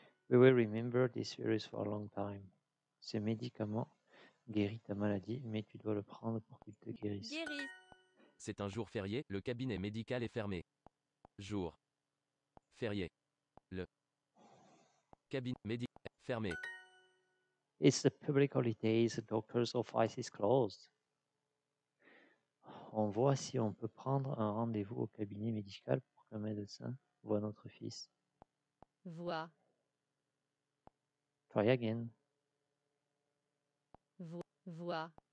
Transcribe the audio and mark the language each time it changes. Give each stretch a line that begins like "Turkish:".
English: We will remember this virus for a long time.
French: Ce médicament guérit ta maladie, mais tu dois le prendre pour qu'il te guérisse. Guérisse. C'est un jour férié, le cabinet médical est fermé. Jour férié. le cabinet médical fermé.
English: It's a public holiday, the doctor's office is closed.
French: On voit si on peut prendre un rendez-vous au cabinet médical pour qu'un médecin voie notre fils. Voix.
English: Try again.
French: Voix.